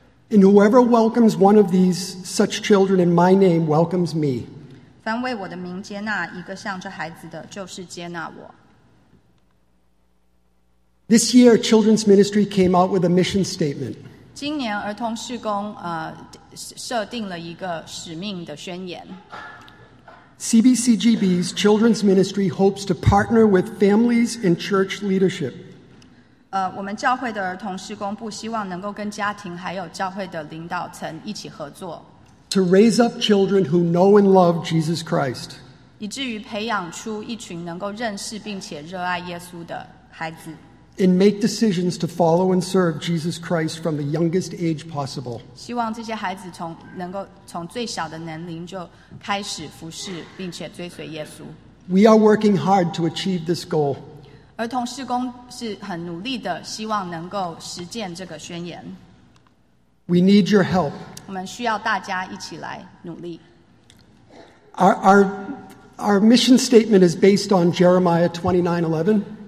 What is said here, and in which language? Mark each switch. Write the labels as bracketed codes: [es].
[en] And whoever welcomes one of these such children in my name welcomes me. [zh] 凡为我的名接纳一个像这孩子的，就是接纳我。 [en] This year, Children's Ministry came out with a mission statement. [zh] 今年儿童事工设定了一个使命的宣言。 [en] CBCGB's Children's Ministry hopes to partner with families and church leadership. [zh] 我们教会的儿童事工部希望能够跟家庭还有教会的领导层一起合作。 [en] To raise up children who know and love Jesus Christ. [zh] 以至于培养出一群能够认识并且热爱耶稣的孩子。 [en] And make decisions to follow and serve Jesus Christ from the youngest age possible. [zh] 希望这些孩子能够从最小的年龄就开始服侍并且追随耶稣。 [en] We are working hard to achieve this goal. [zh] 儿童事工是很努力的，希望能够实践这个宣言。 [en] We need your help. [zh] 我们需要大家一起来努力。 [en] Our mission statement is based on Jeremiah 29:11.